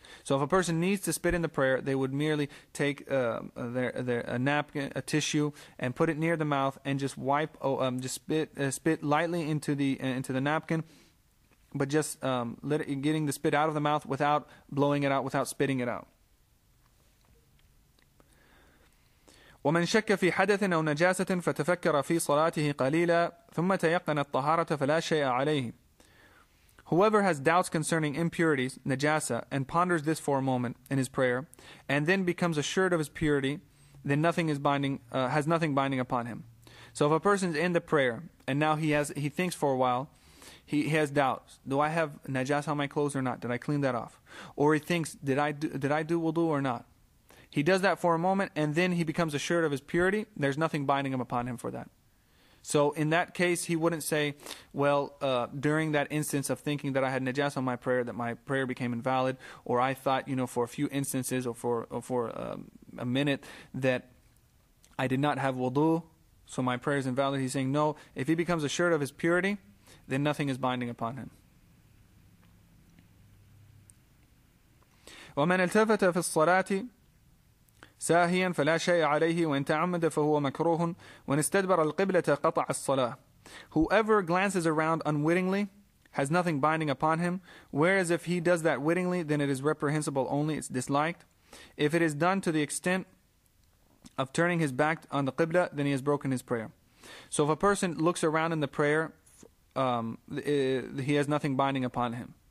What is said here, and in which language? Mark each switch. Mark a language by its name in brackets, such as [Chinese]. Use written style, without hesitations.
[English] So if a person needs to spit in the prayer, they would merely take a napkin, a tissue, and put it near the mouth and just wipe, spit lightly into the napkin, but just getting the spit out of the mouth without blowing it out, without spitting it out. [Arabic] ومن شك في حدث أو نجاسة فتفكر في صلاته قليلا ثم تيقن الطهارة فلا شيء عليه. [English] Whoever has doubts concerning impurities, najasa, and ponders this for a moment in his prayer, and then becomes assured of his purity, then nothing is binding, has nothing binding upon him. So if a person's in the prayer, and now he thinks for a while, he has doubts. Do I have najasa on my clothes or not? Did I clean that off? Or he thinks, did I do wudu or not? He does that for a moment, and then he becomes assured of his purity. There's nothing binding him upon him for that. So in that case, he wouldn't say, well, during that instance of thinking that I had najas on my prayer, that my prayer became invalid, or I thought, you know, for a few instances or for a minute that I did not have wudu, so my prayer is invalid. He's saying, no, if he becomes assured of his purity, then nothing is binding upon him. [Arabic] وَمَنْ أَلْتَفَتَ فِي الصَّلَاةِ ساهيا فلا شيء عليه وإن تعمد فهو مكروه وإن استدبر القبلة قطع الصلاة. [English] Whoever glances around unwittingly has nothing binding upon him, whereas if he does that wittingly, then it is reprehensible only, it's disliked. If it is done to the extent of turning his back on the qibla, then he has broken his prayer. So if a person looks around in the prayer, he has nothing binding upon him.